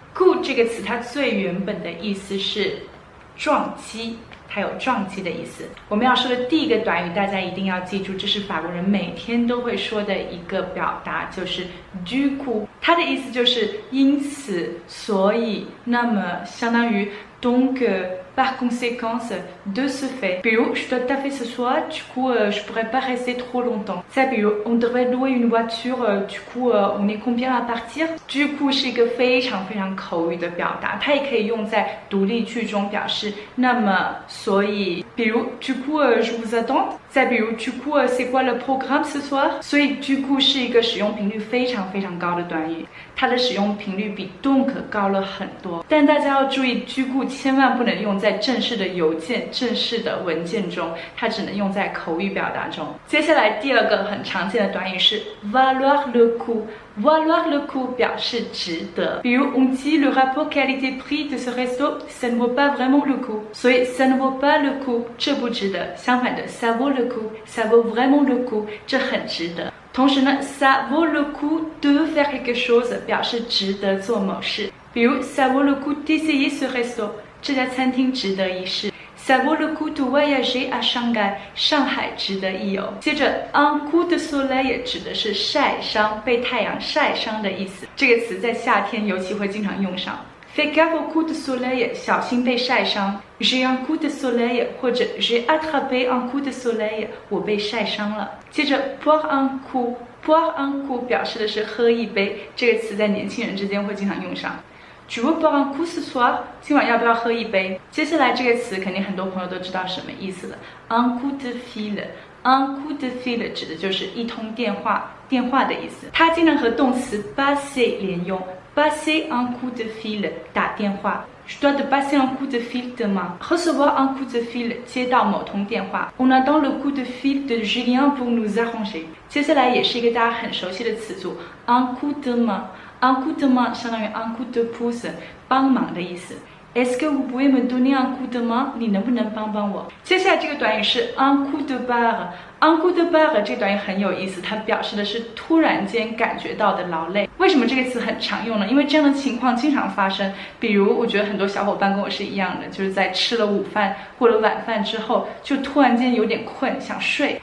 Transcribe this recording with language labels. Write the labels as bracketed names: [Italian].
[Chinese] cool 这个词它最原本的意思是撞击，它有撞击的意思。我们要说的第一个短语，大家一定要记住，这是法国人每天都会说的一个表达，就是 du coup。它的意思就是因此、所以、那么，相当于 donc。 [French] Par conséquence, de ce fait. 比如 je dois taffer ce soir, du coup, je pourrais pas rester trop longtemps. 再比如 on devrait louer une voiture, du coup, on est combien à partir? [Chinese] 句库是一个非常非常口语的表达，它也可以用在独立句中表示。那么，所以，比如 [French] du coup, je vous attends. 再比如 du coup, c'est quoi le programme ce soir? [Chinese] 所以 du coup 是一个使用频率非常非常高的短语，它的使用频率比 donc 高了很多。但大家要注意，句库千万不能用在正式的邮件、正式的文件中，它只能用在口语表达中。接下来第二个很常见的短语是 valoir le coup。 [French] valoir le coup 表示值得，比如 on dit le rapport qualité prix de ce resto ça ne vaut pas vraiment le coup， 所以 ça ne vaut pas le coup， [Chinese] 这不值得， [French] 相反的 ça vaut le coup， ça vaut vraiment le coup， [Chinese] 这很值得。 [French] 同时呢 ça vaut le coup de faire quelque chose [Chinese] 表示值得做某事， [French] 比如 ça vaut le coup d'essayer ce resto， [Chinese] 这家餐厅值得一试。 [French] Ça vaut le coup de voyager à Shanghai， [Chinese] 上海值得一游。接着 un coup de soleil 指的是晒伤，被太阳晒伤的意思。这个词在夏天尤其会经常用上。 [French] Fais gaffe au coup de soleil， [Chinese] 小心被晒伤。 [French] J'ai un coup de soleil， 或者 J'ai attrapé un coup de soleil， [Chinese] 我被晒伤了。接着 boire un coup， boire un coup 表示的是喝一杯，这个词在年轻人之间会经常用上。 [French] Tu veux boire un coup ce soir？ [Chinese] 今晚要不要喝一杯？接下来这个词肯定很多朋友都知道什么意思了。 Un coup de fil， un coup de fil 指的就是一通电话，电话的意思。它经常和动词 passer 连用 ，passer un coup de fil 打电话。 [French] Je dois te passer un coup de fil demain. Recevoir un coup de fil， [Chinese] 接到某通电话。 [French] On attend le coup de fil de Julien pour nous arranger。 [Chinese] 接下来也是一个大家很熟悉的词组 ，un coup de main。 Un coup de main 相当于 un coup de pouce， 帮忙的意思。 [French] Est-ce que vous pouvez me donner un coup de main？ [Chinese] 你能不能帮帮我？接下来这个短语是 un coup de barre。un coup de barre 这个短语很有意思，它表示的是突然间感觉到的劳累。为什么这个词很常用呢？因为这样的情况经常发生。比如，我觉得很多小伙伴跟我是一样的，就是在吃了午饭或者晚饭之后，就突然间有点困，想睡。